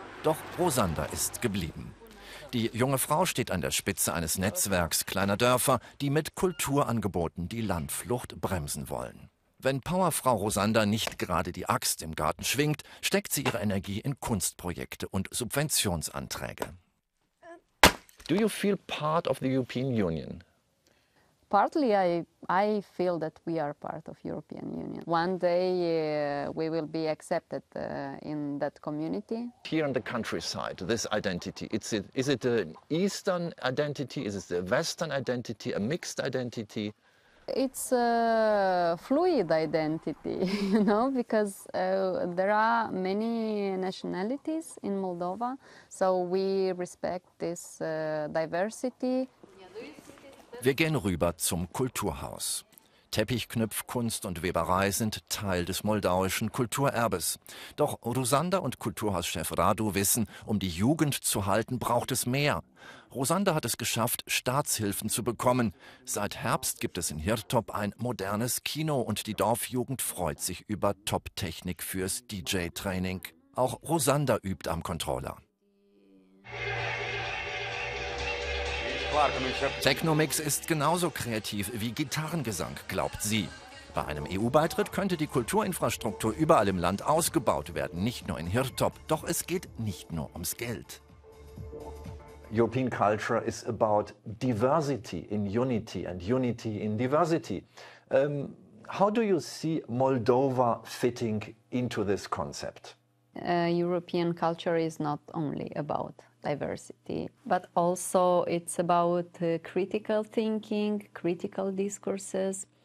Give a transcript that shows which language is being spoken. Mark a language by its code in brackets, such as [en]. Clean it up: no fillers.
[de] Doch Rusanda ist geblieben. Die junge Frau steht an der Spitze eines Netzwerks kleiner Dörfer, die mit Kulturangeboten die Landflucht bremsen wollen. Wenn Powerfrau Rusanda nicht gerade die Axt im Garten schwingt, steckt sie ihre Energie in Kunstprojekte und Subventionsanträge. [en] Do you feel part of the European Union? Partly I feel that we are part of European Union. One day we will be accepted in that community. Here in the countryside, this identity, is it an Eastern identity, is it a Western identity, a mixed identity? It's a fluid identity, you know, because there are many nationalities in Moldova, so we respect this diversity. [de] Wir gehen rüber zum Kulturhaus. Teppichknüpfkunst und Weberei sind Teil des moldauischen Kulturerbes. Doch Rusanda und Kulturhauschef Radu wissen, um die Jugend zu halten, braucht es mehr. Rusanda hat es geschafft, Staatshilfen zu bekommen. Seit Herbst gibt es in Hirtop ein modernes Kino und die Dorfjugend freut sich über Top-Technik fürs DJ-Training. Auch Rusanda übt am Controller. Technomix ist genauso kreativ wie Gitarrengesang, glaubt sie. Bei einem EU-Beitritt könnte die Kulturinfrastruktur überall im Land ausgebaut werden, nicht nur in Hirtop. Doch es geht nicht nur ums Geld. [en] European culture is about diversity in unity and unity in diversity. How do you see Moldova fitting into this concept? European culture is not only about diversity, but also it's about critical thinking, critical discourses.